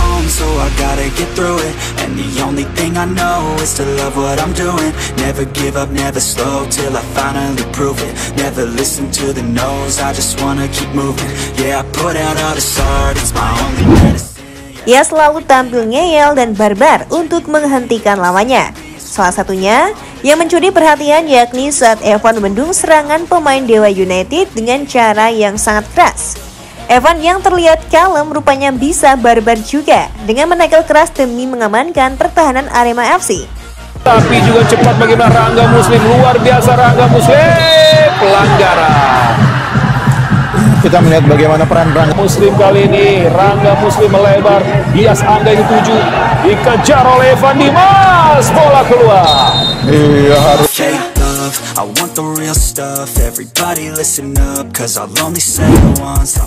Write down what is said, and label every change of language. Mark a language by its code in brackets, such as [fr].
[en] So I gotta get through it. And the only thing I know is to love what I'm doing. Never give up, never slow till I finally prove it. Never listen to the no's, I just wanna keep moving. Yeah, I put out all this art, it's my only medicine. [id] Ia selalu tampil ngeyel dan barbar untuk menghentikan lawannya. Salah satunya yang mencuri perhatian yakni saat Evan mendung serangan pemain Dewa United dengan cara yang sangat keras. Evan yang terlihat kalem rupanya bisa barbar juga dengan menekel keras demi mengamankan pertahanan Arema FC. Tapi juga cepat bagaimana Rangga Muslim, luar biasa Rangga Muslim, pelanggaran. Kita melihat bagaimana peran Rangga Muslim kali ini, Rangga Muslim melebar, bias Angga yang dituju, dikejar oleh Evan Dimas, bola keluar. Iya harus. [en] I want the real stuff, everybody listen up, cause I'll only say it once.